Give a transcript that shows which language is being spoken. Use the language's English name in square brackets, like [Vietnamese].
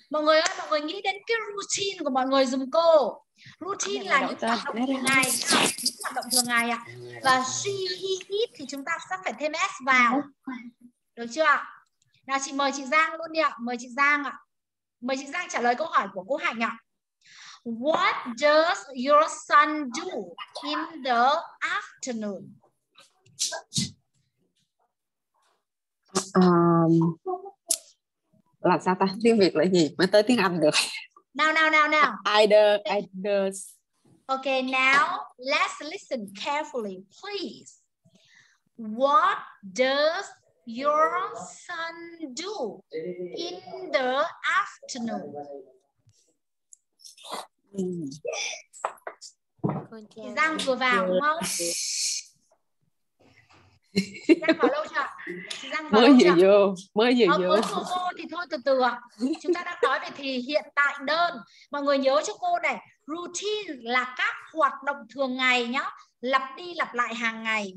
[Vietnamese] Mọi người ơi, mọi người nghĩ đến cái routine của mọi người dùm cô. Routine là những hoạt động thường ngày, những hoạt động thường ngày ạ. Và she, he, it thì chúng ta sẽ phải thêm s vào. Được chưa ạ? Nào chị mời chị Giang luôn đi ạ. Mời chị Giang ạ. Mời chị Giang trả lời câu hỏi của cô Hạnh ạ. [English] What does your son do in the afternoon? [Vietnamese] Làm sao ta? Tiếng Việt là gì? Mới tới tiếng Anh được. [English] Now. Either. Okay, now let's listen carefully, please. What does your son do in the afternoon? [Vietnamese] Giang vừa vào đúng không? Giang vào lâu chưa? Mới vừa vô. Thì thôi từ từ ạ. Chúng ta đang nói về thì hiện tại đơn. Mọi người nhớ cho cô này, routine là các hoạt động thường ngày nhá, lặp đi lặp lại hàng ngày.